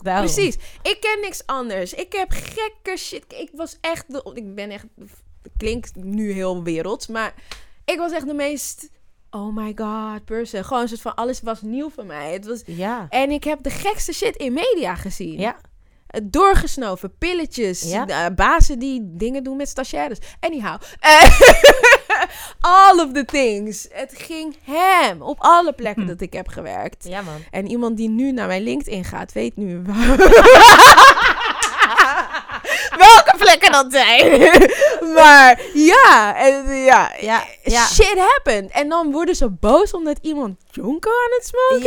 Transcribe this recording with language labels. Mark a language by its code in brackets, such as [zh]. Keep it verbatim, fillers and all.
[nl] Precies. Ik ken niks anders. Ik heb gekke shit. Ik was echt, de, ik ben echt, klinkt nu heel werelds, maar ik was echt de meest... [en] Oh my god, person. [nl] Gewoon een soort van, alles was nieuw voor mij. Het was, ja. En ik heb de gekste shit in media gezien. Ja. Doorgesnoven, pilletjes, ja. uh, bazen die dingen doen met stagiaires. [en] Anyhow, all of the things. [nl] Het ging hem op alle plekken hm. dat ik heb gewerkt. Ja, man. En iemand die nu naar mijn LinkedIn gaat, weet nu waar... welke plekken dat zijn. Maar ja, en, ja, ja, ja, [en] shit happened. [nl] En dan worden ze boos omdat iemand jonko aan het smoken